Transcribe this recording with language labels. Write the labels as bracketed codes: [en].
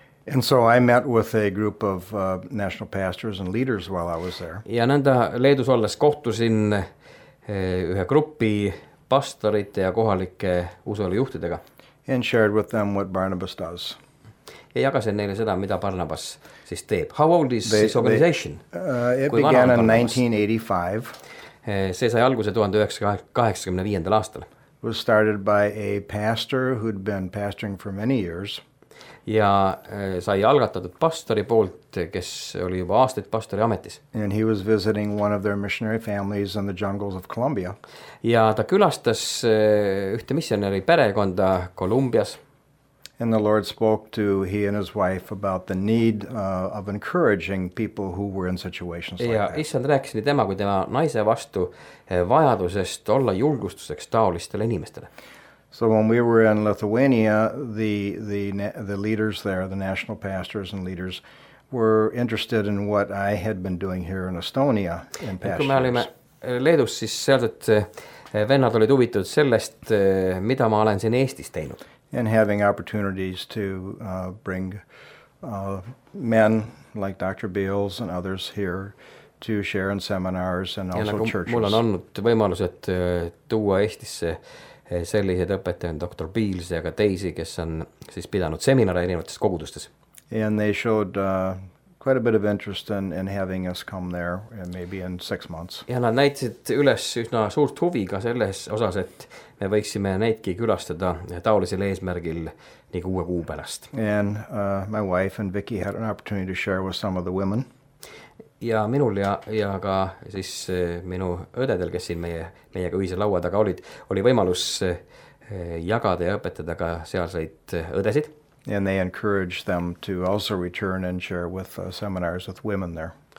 [en] And so I met with a group of national pastors and leaders while I was there. [et] Ja nõnda Leedus olles kohtusin ühe gruppi pastorite ja kohalike usulijuhtidega. [en] And shared with them what Barnabas does. [et] Ja jagasin neile seda, mida Barnabas siis teeb. [en] How old is this organization? It began in 1985. [et] See sai alguse 1985. aastal. [en] Was started by a pastor who'd been pastoring for many years. [et] Ja sai algatatud pastori poolt, kes oli juba aastaid pastori ametis. [en] And he was visiting one of their missionary families in the jungles of Colombia. [et] Ja ta külastas ühte missionäri perekonda Kolumbias. [en] And the Lord spoke to he and his wife about the need of encouraging people who were in situations like that. [et] Ja issand rääkis nii tema kui tema naise vastu vajadusest olla julgustuseks taolistele inimestele. [en] So when we were in Lithuania, the leaders there, the national pastors and leaders, were interested in what I had been doing here in Estonia in pastors. [et] Kui me olime Leedus, siis sealt vennad olid huvitud sellest, mida ma olen siin Eestis teinud. [en] And having opportunities to bring men like Dr. Beals and others here to share in seminars and also churches. [et] Mul on olnud võimalus, et tuua Eestisse sellised õpetajad on Dr. Beals ja ka teisi, kes on siis pidanud seminare erinevates kogudustes. [en] And they showed quite a bit of interest in having us come there and maybe in 6 months. [et] Ja nad näitsid üles üsna suurt huvi ka selles osas, et me võiksime neidki külastada taolisel eesmärgil nii kuue kuu pärast. [en] And my wife and Vicky had an opportunity to share with some of the women. [et] Ja minul ja ka siis minu õdedel, kes siin meiega ühise laua taga olid, oli võimalus jagada ja õpetada ka sealseid õdesid. [en] And they encouraged them to also return and share with seminars with women there.